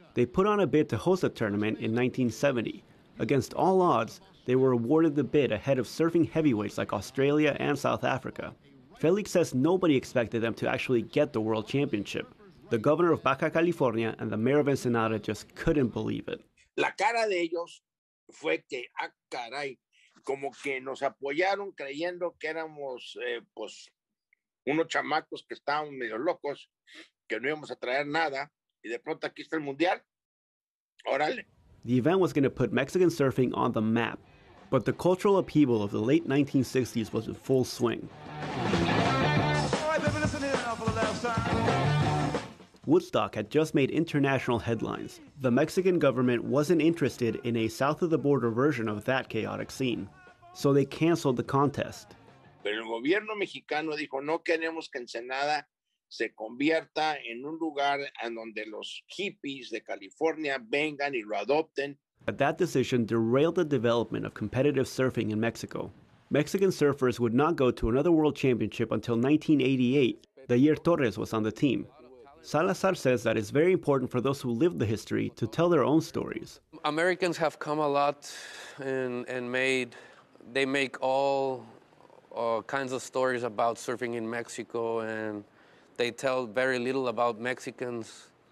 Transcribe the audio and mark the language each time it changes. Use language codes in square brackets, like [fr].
[en] They put on a bid to host a tournament in 1970. Against all odds, they were awarded the bid ahead of surfing heavyweights like Australia and South Africa. Felix says nobody expected them to actually get the world championship. The governor of Baja California and the mayor of Ensenada just couldn't believe it. [es] La cara de ellos fue que, ah, caray, como que nos apoyaron creyendo que éramos, pues, unos chamacos que estaban medio locos, que no íbamos a traer nada, y de pronto aquí está el mundial. Órale. [en] The event was going to put Mexican surfing on the map, but the cultural upheaval of the late 1960s was in full swing. All right, baby, listen here now for the last time. Woodstock had just made international headlines. The Mexican government wasn't interested in a south-of-the-border version of that chaotic scene, so they canceled the contest. [es] Pero el gobierno mexicano dijo, no queremos que Ensenada se convierta en un lugar en donde los hippies de California vengan y lo adopten. [en] But that decision derailed the development of competitive surfing in Mexico. Mexican surfers would not go to another world championship until 1988, the year Torres was on the team. Salazar says that it's very important for those who lived the history to tell their own stories. Americans have come a lot and made, they make all kinds of stories about surfing in Mexico, and they tell very little about Mexicans.